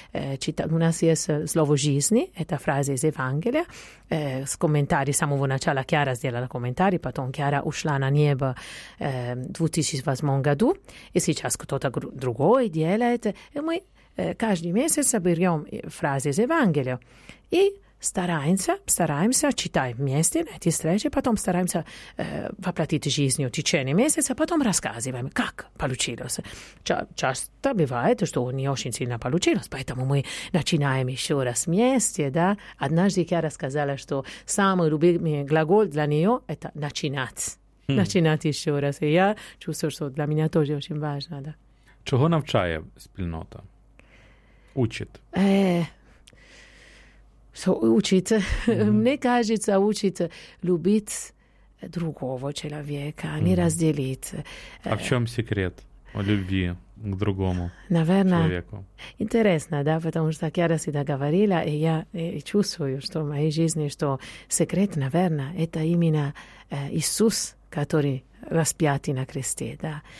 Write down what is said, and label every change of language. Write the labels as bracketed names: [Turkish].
[Russian] У нас есть слово «жизни», это фраза из Евангелия, с комментарием, с самого начала Киара сделала комментарий, потом Киара ушла на небо в 2008 году, и сейчас кто-то другой делает, и мы каждый месяц берем фразы из Евангелия и стараемся читать вместе на эти встречи, потом стараемся воплотить жизнь в течение месяца, потом рассказываем, как получилось. Часто бывает, что не очень сильно получилось, поэтому мы начинаем еще раз вместе. Да? Однажды Киара сказала, что самый любимый глагол для нее – это начинать. Начинать еще раз. И я чувствую, что для меня тоже очень важно. Да. [Ukrainian] Чого навчає спільнота? Учить? [Russian] Учить, мне кажется, учить любить другого человека, а не разделить. А в чем секрет о любви к другому человеку? Интересно, да, потому что Кьяра всегда говорила, и я чувствую, что в моей жизни, что секрет, наверное, это именно Иисус, который распятый на кресте, да.